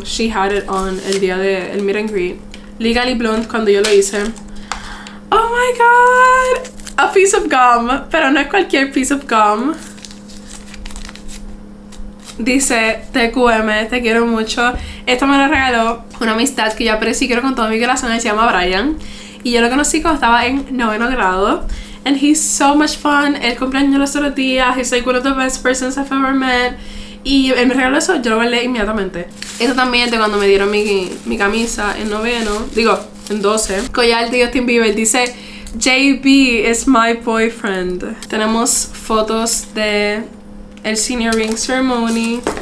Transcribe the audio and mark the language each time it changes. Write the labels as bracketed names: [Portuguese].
[English] She had it on [Spanish] el día del [English] meet and greet. [Spanish] Legally Blonde, cuando yo lo hice. [English] Oh my god. A piece of gum, [Spanish] pero no es cualquier [English] piece of gum. [Spanish] Dice TQM, te quiero mucho. Esto me lo regaló una amistad que yo aprecio y quiero con todo mi corazón. Él se llama Brian. Y yo lo conocí cuando estaba en noveno grado. [English] And he's so much fun. [Spanish] Él cumpleaños los otros días. [English] He's like one of the best persons I've ever met. [Spanish] Y él me regaló eso, yo lo guardé inmediatamente. Eso también es de cuando me dieron mi camisa en noveno. Digo, en 12. Collar de Justin Bieber, dice... [English] JB is my boyfriend. [Spanish] Tenemos fotos de el Senior Ring Ceremony.